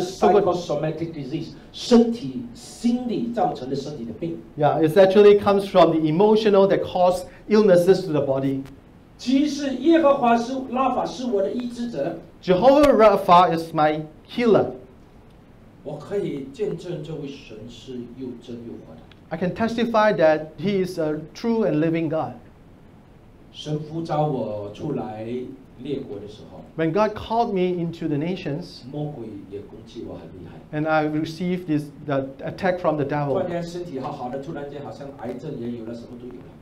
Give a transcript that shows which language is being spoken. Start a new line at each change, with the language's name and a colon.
Chinese: ，psychosomatic disease， 身体心理造成的身体的病。
English: Yeah， it actually comes from the emotional that cause。 Illnesses to the body.
Chinese: 其实耶和华是拉法是我的医治者。
English: Jehovah Rapha is my healer.
Chinese: 我可以见证这位神是又真又活的。
English: I can testify that he is a true and living God.
Chinese: 神呼召我出来列国的时候
English: ，When God called me into the nations,
Chinese: 魔鬼也攻击我很厉害。
English: And I received this the attack from the devil.
Chinese: 突然身体好好的，突然间好像癌症也有了，什么都有了。